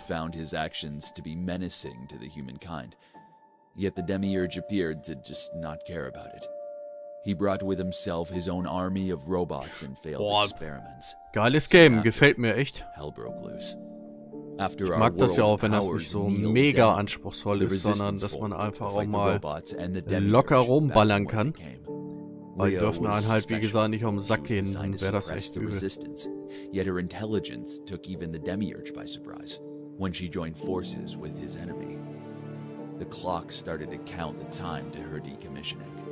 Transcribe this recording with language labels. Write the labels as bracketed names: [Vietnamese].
[English] Found his actions to be menacing to the humankind. Yet the Demiurge appeared to just not care about it. He brought with himself his own army of robots and failed experiments. [German] Geiles Game, gefällt mir echt. Ich mag das ja auch, wenn das nicht so mega anspruchsvoll ist, sondern dass man einfach auch mal locker rumballern kann. Weil die dürfen einen halt, wie gesagt, nicht auf den Sack gehen, dann wäre das echt übel. [English] Yet her intelligence took even the Demiurge by surprise, when she joined forces with his enemy. The clock started to count the time to her decommissioning.